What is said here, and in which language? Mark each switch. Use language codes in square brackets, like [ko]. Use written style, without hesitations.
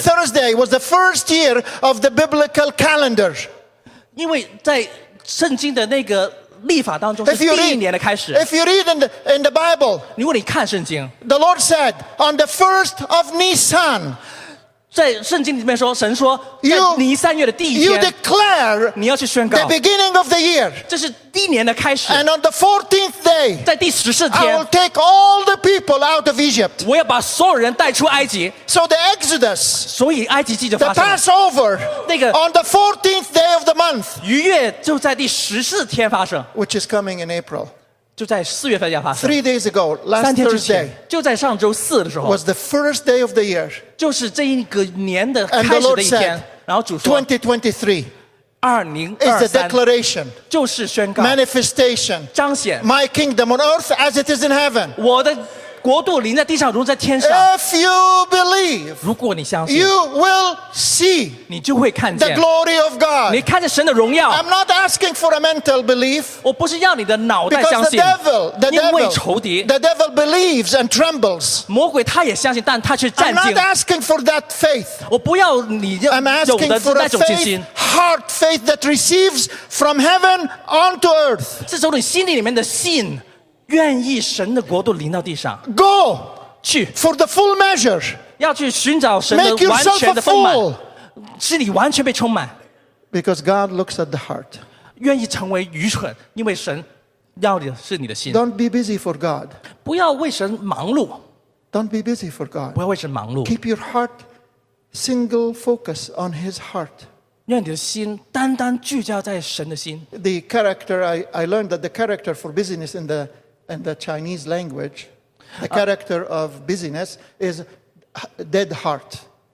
[en] Thursday was the first year of the biblical calendar. [zh] 因为在圣经的那个历法当中, [en] if you read, in the Bible, [zh] 如果你看圣经, [en] the Lord said, on the first of Nisan, [zh] 在圣经里面说, 神说, 在尼三月的第一天, [en] you declare [zh] 你要去宣告, [en] the beginning of the year. [zh] 这是第一年的开始, [en] and on the 14th day, [zh] 在第14天, [en] I will take all the people out of Egypt. [zh] 我要把所有人带出埃及, [en] so the Exodus, [zh] 所以埃及记就发生了, [en] the Passover, [zh] 那个, [en] on the 14th day of the month, [zh] 逾越就在第14天发生, [en] which is coming in April. [zh] 就在4月份要发生, [en] 3 days ago, last [zh] 三天之前, [en] Thursday, [zh] 就在上周四的时候, [en] was the first day of the year. [zh] 就是这一个年的开始的一天, [en] and the Lord said, [zh] 然后主说, [en] 2023 is the declaration, [zh] 就是宣告, [en] manifestation, [zh] 彰显, [en] my kingdom on earth as it is in heaven. [zh] 我的国度临在地上, 如在天上, [en] if you believe, [zh] 如果你相信, [en] you will see, [zh] 你就会看见, [en] the glory of God. [zh] 你看见神的荣耀, [en] I'm not asking for a mental belief, [zh] 我不是要你的脑袋相信, [en] because the devil, [zh] 因为仇敌, [en] the devil believes and trembles. [zh] 魔鬼他也相信, 但他却战惊, [en] I'm not asking for that faith, [zh] 我不要你有的, [en] I'm asking for a faith, heart faith that receives from heaven onto earth. [zh] 是从你心里面的信, 愿意神的国度临到地上, [en] go [zh] 去, [en] for the full measure, [zh] 要去寻找神的完全的丰满, [en] make yourself a fool, because God looks at the heart. [zh] 愿意成为愚蠢, 因为神要的是你的心, [en] don't be busy for God, [zh] 不要为神忙碌, [en] don't be busy for God, [zh] 不要为神忙碌, [en] keep your heart single focus on his heart. [zh] 愿你的心单单聚焦在神的心. [en] The character, I learned that the character for busyness in the and the Chinese language, the character of busyness is dead heart.